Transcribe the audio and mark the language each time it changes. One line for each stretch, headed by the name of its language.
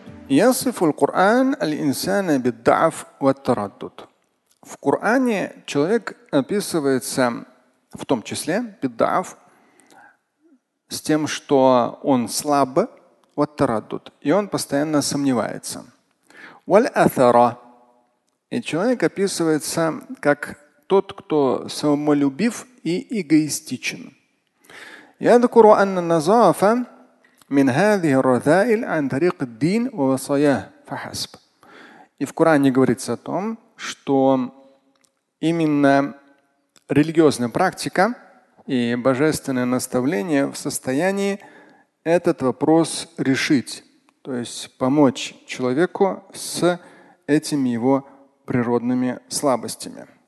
Arabic: يصف القرآن الإنسان بالضعف والتردد.
Russian: В Коране человек описывается в том числе
Arabic: بالضعف,
Russian: с тем, что он слаб,
Arabic: والتردد,
Russian: и он постоянно сомневается.
Arabic: والأثر,
Russian: и человек описывается как тот, кто самолюбив и эгоистичен.
Arabic: يذكر أن النظافة من هذه الرذائل عن طريق الدين ووصاياه فحسب.
Russian: И в Коране говорится о том, что именно религиозная практика и божественное наставление в состоянии этот вопрос решить, то есть помочь человеку с этими его природными слабостями.